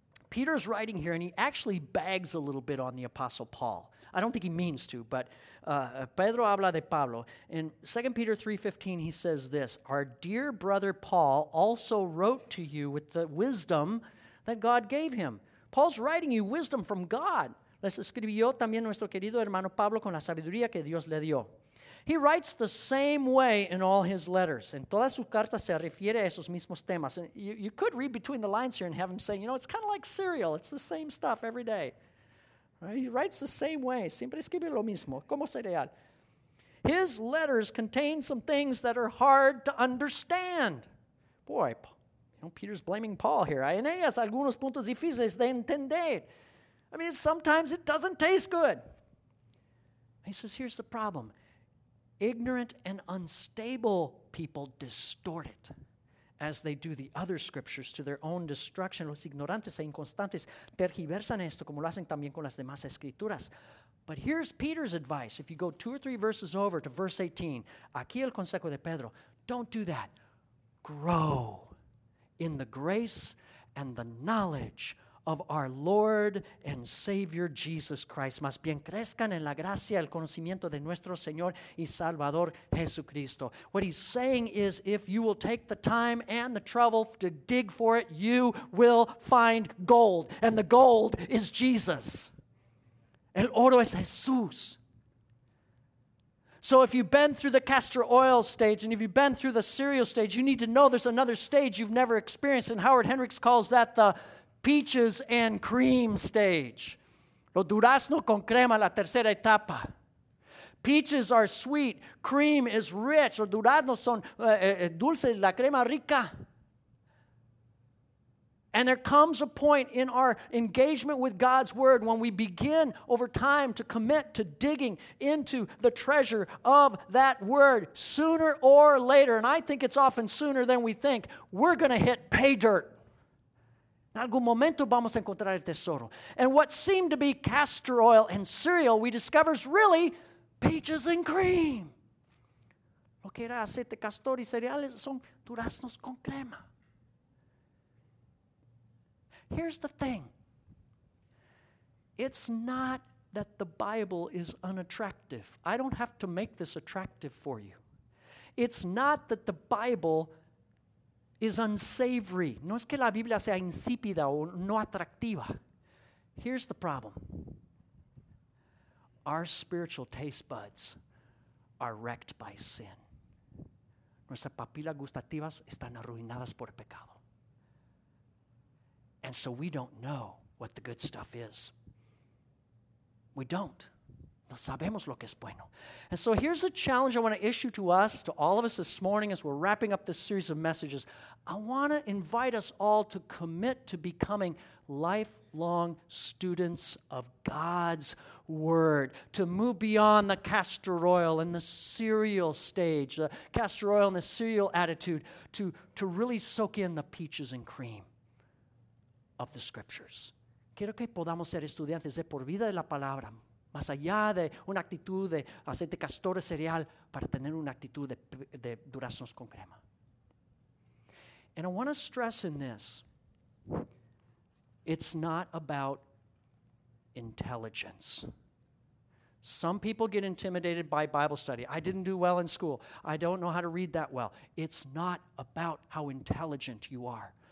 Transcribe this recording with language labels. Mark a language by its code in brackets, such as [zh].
[en] Peter's writing here, and he actually bags a little bit on the Apostle Paul. I don't think he means to, but [es] Pedro habla de Pablo. [en] In 2 Peter 3:15, he says this, "Our dear brother Paul also wrote to you with the wisdom that God gave him." Paul's writing you wisdom from God. [es] Les escribió también nuestro querido hermano Pablo con la sabiduría que Dios le dio. [en] He writes the same way in all his letters. [es] En toda su carta se refiere a esos mismos temas. [en] And you could read between the lines here and have him say, you know, it's kind of like cereal. It's the same stuff every day. Right? He writes the same way. [es] Siempre escribe lo mismo. Como cereal. [en] His letters contain some things that are hard to understand. Boy, you know, Peter's blaming Paul here. [es] En ellas algunos puntos difíciles de entender. [en] I mean, sometimes it doesn't taste good. He says, here's the problem. Ignorant and unstable people distort it, as they do the other scriptures to their own destruction. [es] Los ignorantes e inconstantes tergiversan esto, como lo hacen también con las demás escrituras. [en] But here's Peter's advice. If you go two or three verses over to verse 18, [es] aquí el consejo de Pedro, [en] don't do that. Grow in the grace and the knowledge of our Lord and Savior Jesus Christ. [es] Más bien crezcan en la gracia, el conocimiento de nuestro Señor y Salvador Jesucristo. [en] What he's saying is, if you will take the time and the trouble to dig for it, you will find gold. And the gold is Jesus. [es] El oro es Jesús. [en] So if you've been through the castor oil stage and if you've been through the cereal stage, you need to know there's another stage you've never experienced. And Howard Hendricks calls that the peaches and cream stage. [es] Lo durazno con crema, la tercera etapa. [en] Peaches are sweet. Cream is rich. [es] Lo durazno son dulces, la crema rica. [en] And there comes a point in our engagement with God's word when we begin over time to commit to digging into the treasure of that word. Sooner or later, and I think it's often sooner than we think, we're going to hit pay dirt. [es] En algún momento vamos a encontrar el tesoro. [en] And what seemed to be castor oil and cereal, we discover is really peaches and cream. [es] Lo que era aceite castor y cereales son duraznos con crema. [en] Here's the thing. It's not that the Bible is unattractive. I don't have to make this attractive for you. It's not that the Bible is unsavory. [es] No es que la Biblia sea insípida o no atractiva. [en] Here's the problem. Our spiritual taste buds are wrecked by sin. [es] Nuestras papilas gustativas están arruinadas por el pecado. [en] And so we don't know what the good stuff is. We don't. [es] No sabemos lo que es bueno. [en] And so here's a challenge I want to issue to us, to all of us this morning as we're wrapping up this series of messages. I want to invite us all to commit to becoming lifelong students of God's word, to move beyond the castor oil and the cereal stage, the castor oil and the cereal attitude, to really soak in the peaches and cream of the scriptures. [es] Quiero que podamos ser estudiantes de por vida de la palabra, más allá de una actitud de aceite castor de cereal, para tener una actitud de duraznos con crema. [en] And I want to stress in this, it's not about intelligence. Some people get intimidated by Bible study. I didn't do well in school. I don't know how to read that well. It's not about how intelligent you are.